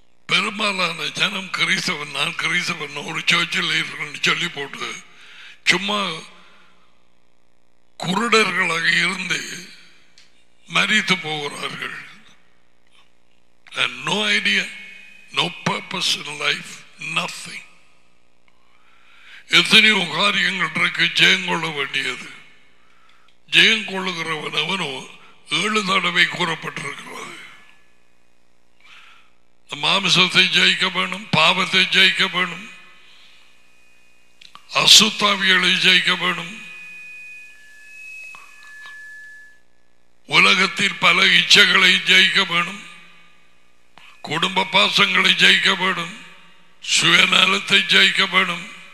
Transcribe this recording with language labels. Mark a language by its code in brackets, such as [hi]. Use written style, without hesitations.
[ta] பெரும்பாலான ஜனம் கிறிஸ்தவன், நான் கிறிஸ்தவன், ஒரு சர்ச்சில் இருக்கேன் சொல்லி போட்டு சும்மா குருடர்களாக இருந்து மரித்து போகிறார்கள். [en] No idea, no purpose in life, nothing. [ta] எத்தனையோ காரியங்கள் இருக்கு ஜெயம் கொள்ள வேண்டியது. ஜெயம் கொள்ளுகிறவன் அவனோ ஏழு தடவை கூறப்பட்டிருக்கிறது. மாம்சத்தை ஜெயிக்க வேணும், பாவத்தை ஜெயிக்க வேணும், அசுத்தாவிகளை ஜெயிக்க வேணும், உலகத்தில் பல இச்சைகளை ஜெயிக்க வேணும், குடும்ப பாசங்களை ஜெயிக்க வேணும், சுயநலத்தை ஜெயிக்க வேணும்.